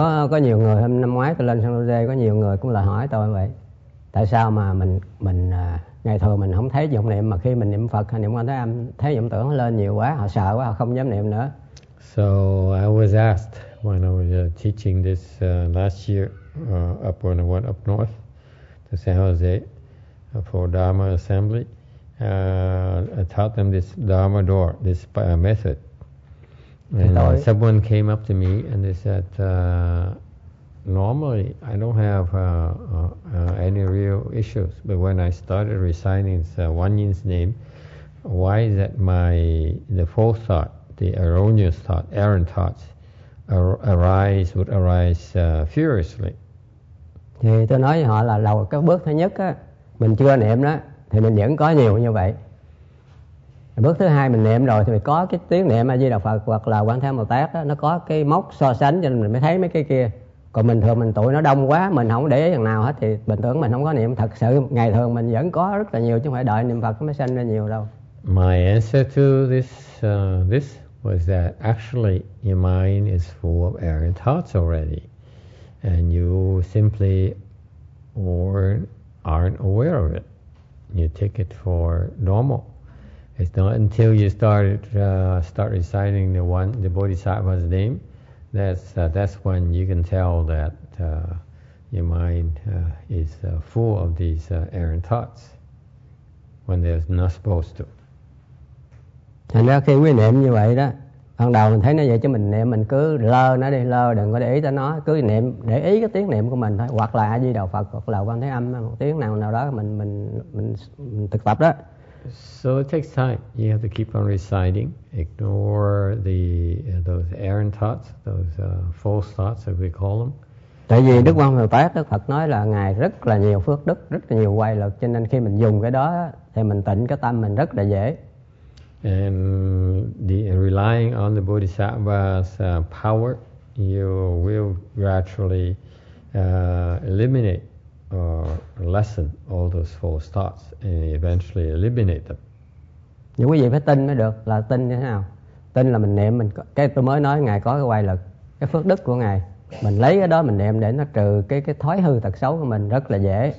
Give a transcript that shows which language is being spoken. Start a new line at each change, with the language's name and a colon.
Vietnamese: Có nhiều người hôm năm ngoái tôi lên San Jose, có nhiều người cũng là hỏi tôi vậy. Tại sao mà mình ngày thường mình không thấy dụng niệm, mà khi mình niệm Phật hay niệm Quan Thế Âm, thấy vọng tưởng lên nhiều quá, họ sợ quá, họ không dám niệm nữa.
English: So I was asked when I was teaching this last year up when I went up north to San Jose for Dharma Assembly. I taught them this Dharma Door, this method. And someone came up to me and they said, normally I don't have any real issues, but when I started reciting Wan Yin's name, why is that the false thought, the erroneous thought, errant thoughts, would arise furiously?
Vietnamese: Thì tôi nói với họ là đầu cái bước thứ nhất á, mình chưa niệm đó, thì mình vẫn có nhiều như vậy. Bước thứ hai mình niệm rồi thì mình có cái tiếng niệm A Di Đà Phật hoặc là Quán Thế Âm Bồ Tát đó, nó có cái mốc so sánh cho nên mình mới thấy mấy cái kia. Còn bình thường mình tụi nó đông quá, mình không để ý thằng nào hết thì bình thường mình không có niệm. Thật sự ngày thường mình vẫn có rất là nhiều, chứ không phải đợi niệm Phật mới sanh ra nhiều đâu.
English: My answer to this was that actually your mind is full of errant thoughts already, and you simply aren't aware of it. You take it for normal. It's not until you start reciting the Bodhisattva's name that's when you can tell that your mind is full of these errant thoughts when there's not supposed to.
Vietnamese: Thành ra khi quý niệm như vậy đó, ban đầu mình thấy nó vậy chứ mình niệm mình cứ lơ nó đi, lơ đừng có để ý tới nó, cứ niệm để ý cái tiếng niệm của mình thôi, hoặc là A Di Đà Phật hoặc là Quan Thế Âm, một tiếng nào đó mình thực tập đó.
English: So it takes time. You have to keep on reciting, ignore those errant thoughts, those false thoughts, as we call them.
Vietnamese: Tại vì Đức Quan Thế Âm Bồ Tát, Đức Phật nói là Ngài rất là nhiều phước đức, rất là nhiều quay lực, cho nên khi mình dùng cái đó thì mình tịnh cái tâm mình rất là dễ.
English: And relying on the Bodhisattva's power, you will gradually eliminate or lessen all those false thoughts and eventually eliminate them.
Vietnamese: Những quý vị phải tin mới được, là tin như thế nào? Tin là mình niệm, tôi mới nói Ngài có cái quay lực, cái phước đức của Ngài. Mình lấy cái đó mình niệm để nó trừ cái thói hư tật xấu của mình rất là dễ.